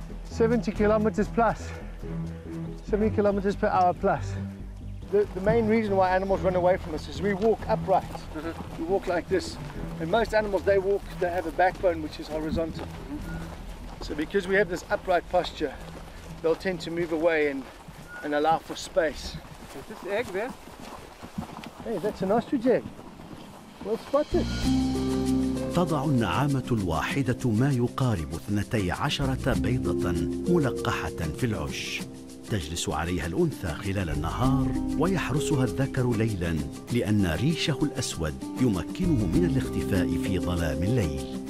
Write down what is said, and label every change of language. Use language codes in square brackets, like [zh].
[en] 70 كيلومتر بلس، 70 كيلومتر per hour plus. The main reason why animals run away from us is we walk upright. Mm-hmm. We walk like this. And most animals, they walk, they have a backbone which is horizontal. Mm-hmm. So because we have this upright posture, they'll tend to move away and allow for space. Is this egg there? Hey, that's an ostrich egg. Well spotted. [ar] تضع النعامة الواحدة ما يقارب 12 بيضة ملقحة في العش. تجلس عليها الأنثى خلال النهار ويحرسها الذكر ليلاً، لأن ريشه الأسود يمكنه من الاختفاء في ظلام الليل.